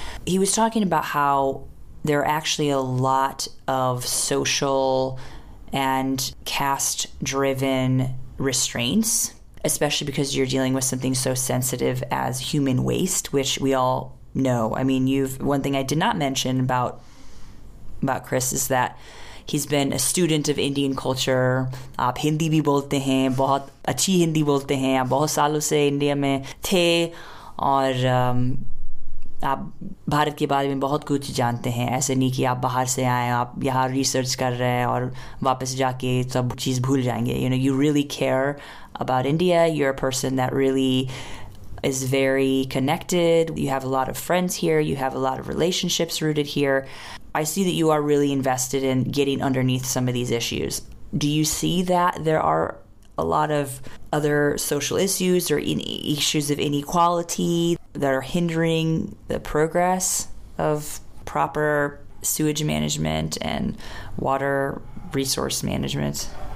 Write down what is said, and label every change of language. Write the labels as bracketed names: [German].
[English] He was talking about how there are actually a lot of social and caste-driven restraints, especially because you're dealing with something so sensitive as human waste, which we all know. I mean, one thing I did not mention about Chris is that he's been a student of Indian culture. [Hindi] आप हिंदी भी बोलते हैं, बहुत अच्छी हिंदी बोलते हैं, बहुत सालों से इंडिया में थे, और आप भारत के बारे में बहुत कुछ जानते हैं। ऐसे नहीं कि आप बाहर से आए, आप यहाँ रिसर्च कर रहे हैं और वापस जाके सब चीज़ भूल जाएंगे। [English] You know, you really care about India. You're a person that really is very connected. You have a lot of friends here. You have a lot of relationships rooted here. I see that you are really invested in getting underneath some of these issues. Do you see that there are a lot of other social issues or issues of inequality that are hindering the progress of proper sewage management and water resource management?